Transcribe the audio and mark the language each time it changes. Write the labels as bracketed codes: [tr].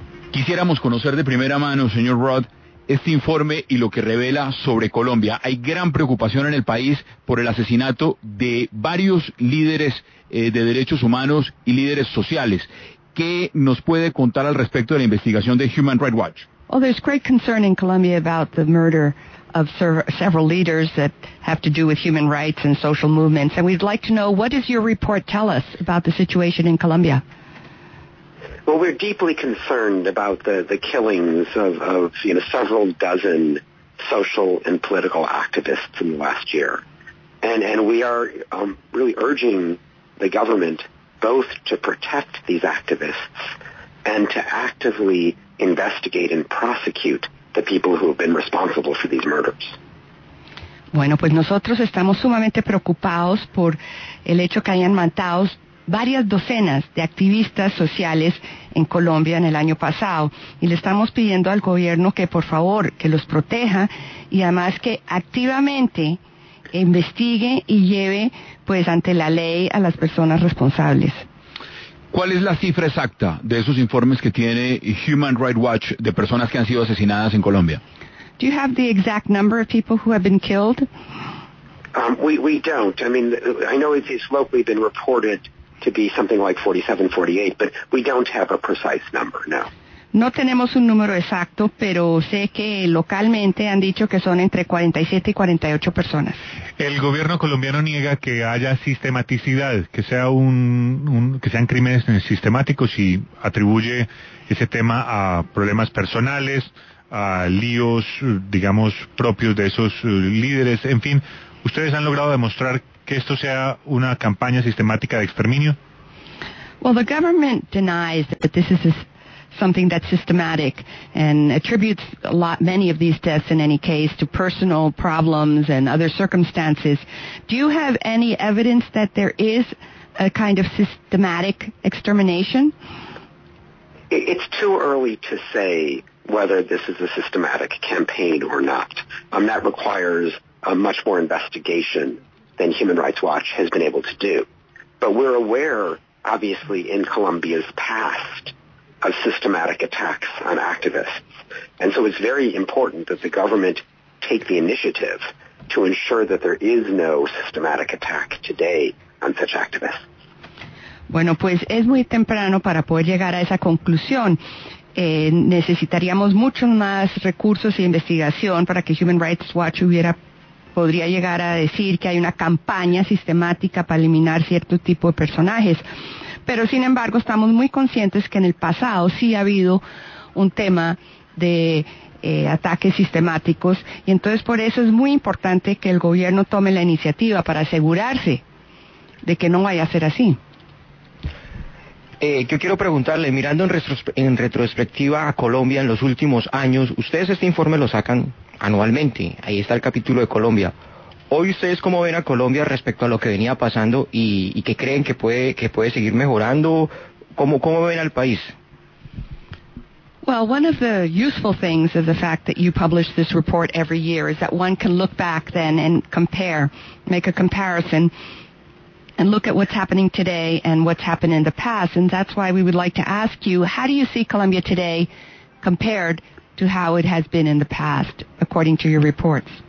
[es] Quisiéramos conocer de primera mano, señor Roth, este informe y lo que revela sobre Colombia. Hay gran preocupación en el país por el asesinato de varios líderes de derechos humanos y líderes sociales. ¿Qué nos puede contar al respecto de la investigación de Human Rights Watch? [en] Well, there's great concern in Colombia about the murder of several leaders that have to do with human rights and social movements. And we'd like to know, what does your report tell us about the situation in Colombia? Well, we're deeply concerned about the killings of you know, several dozen social and political activists in the last year. And we are really urging the government both to protect these activists and to actively investigate and prosecute the people who have been responsible for these murders. [es] Bueno, pues nosotros estamos sumamente preocupados por el hecho que hayan matado varias docenas de activistas sociales en Colombia en el año pasado, y le estamos pidiendo al gobierno que por favor que los proteja, y además que activamente investigue y lleve pues ante la ley a las personas responsables. ¿Cuál es la cifra exacta de esos informes que tiene Human Rights Watch de personas que han sido asesinadas en Colombia? [en] Do you have the exact number of people who have been killed? We don't. I mean, I know it's locally been reported to be something like 47, 48, but we don't have a precise number now. [es] No tenemos un número exacto, pero sé que localmente han dicho que son entre 47 y 48 personas. El gobierno colombiano niega que haya sistematicidad, que sea que sean crímenes sistemáticos, y atribuye ese tema a problemas personales, a líos, digamos, propios de esos líderes. En fin, ¿ustedes han logrado demostrar que esto sea una campaña sistemática de exterminio? [en] Well, the government denies that this is something that's systematic and attributes many of these deaths in any case to personal problems and other circumstances. Do you have any evidence that there is a kind of systematic extermination? It's too early to say whether this is a systematic campaign or not. That requires a much more investigation than Human Rights Watch has been able to do. But we're aware, obviously, in Colombia's past of systematic attacks on activists. And so it's very important that the government take the initiative to ensure that there is no systematic attack today on such activists. [es] Bueno, pues es muy temprano para poder llegar a esa conclusión. Necesitaríamos muchos más recursos e investigación para que Human Rights Watch podría llegar a decir que hay una campaña sistemática para eliminar cierto tipo de personajes. Pero, sin embargo, estamos muy conscientes que en el pasado sí ha habido un tema de ataques sistemáticos, y entonces por eso es muy importante que el gobierno tome la iniciativa para asegurarse de que no vaya a ser así. Yo quiero preguntarle, mirando en retrospectiva a Colombia en los últimos años, ustedes este informe lo sacan anualmente, ahí está el capítulo de Colombia. Hoy ustedes, ¿cómo ven a Colombia respecto a lo que venía pasando y qué creen que puede seguir mejorando? ¿Cómo ven al país? [en] Well, one of the useful things of the fact that you publish this report every year is that one can look back then and compare, make a comparison, and look at what's happening today and what's happened in the past. And that's why we would like to ask you, how do you see Colombia today compared to how it has been in the past, according to your reports?